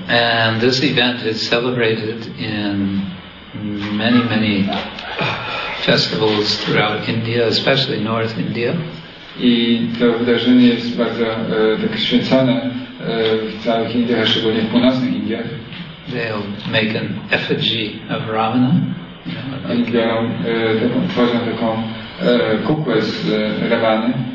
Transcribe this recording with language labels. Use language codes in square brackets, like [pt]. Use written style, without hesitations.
[en] And this event is celebrated in many, many festivals throughout India, especially North India. [pl] I to wydarzenie jest bardzo tak święcone w całych Indiach, szczególnie w północnych Indiach. [en] They'll make an effigy of Ravana. [pl] Oni biorą, tworzą taką kukłę z Ravany.